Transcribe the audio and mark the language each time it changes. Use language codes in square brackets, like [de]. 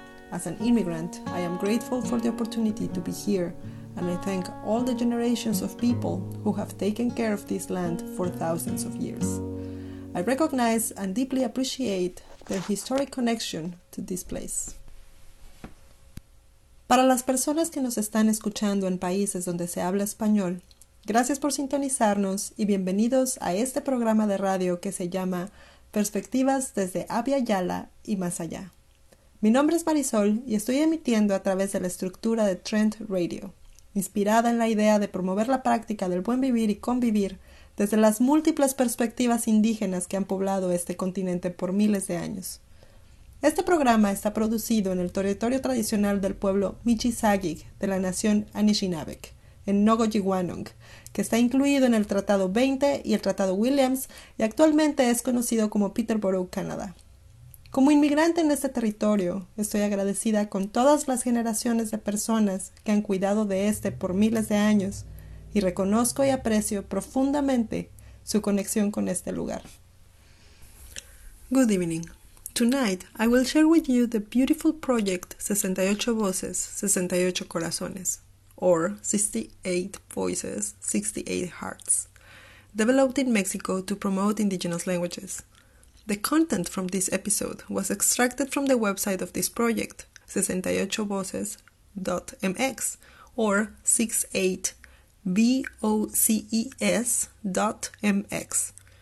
[en] As an immigrant, I am grateful for the opportunity to be here, and I thank all the generations of people who have taken care of this land for thousands of years. I recognize and deeply appreciate their historic connection to this place. [es] Para las personas que nos están escuchando en países donde se habla español, gracias por sintonizarnos y bienvenidos a este programa de radio que se llama Perspectivas desde Abya Yala y más allá. Mi nombre es Marisol y estoy emitiendo a través de la estructura de Trent Radio, inspirada en la idea de promover la práctica del buen vivir y convivir desde las múltiples perspectivas indígenas que han poblado este continente por miles de años. Este programa está producido en el territorio tradicional del pueblo Michisagic de la nación Anishinaabeg, en Nogojiwanong, que está incluido en el Tratado 20 y el Tratado Williams y actualmente es conocido como Peterborough, Canadá. Como inmigrante en este territorio, estoy agradecida con todas las generaciones de personas que han cuidado de este por miles de años y reconozco y aprecio profundamente su conexión con este lugar. [en] Good evening. Tonight, I will share with you the beautiful project 68 Voces, 68 Corazones, or 68 Voices, 68 Hearts, developed in Mexico to promote indigenous languages. The content from this episode was extracted from the website of this project, 68voces.mx, or 68voces.mx.